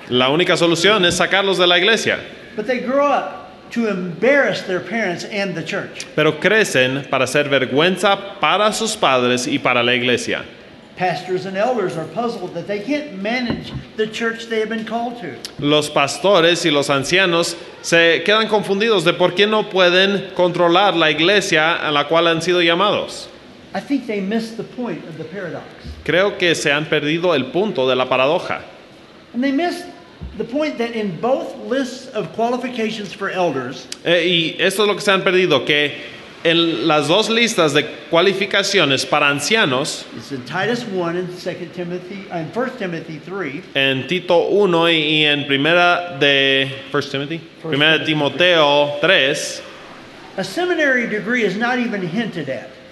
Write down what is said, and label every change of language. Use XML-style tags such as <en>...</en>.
<es>La única solución es sacarlos de la iglesia.</es> <en>But they grow up to embarrass their parents and the church.</en> <es>Pero crecen para ser vergüenza para sus padres y para la iglesia.</es> <en>Pastors and elders are puzzled that they can't manage the church they have been called to.</en> <es>Los pastores y los ancianos se quedan confundidos de por qué no pueden controlar la iglesia a la cual han sido llamados.</es> <en>I think they missed the point of the paradox.</en> <es>Creo que se han perdido el punto de la paradoja.</es> <en>And they missed the point that in both lists of qualifications for elders.</en> <es>Y esto es lo que se han perdido, que en las dos listas de cualificaciones para ancianos,</es> <en>it's in Titus 1 and 2 Timothy, and 1 Timothy 3.</en> <es>En Tito 1 y en primera de 1 Timothy, primera de Timoteo 3.</es> <en>A seminary degree is not even hinted at.</en>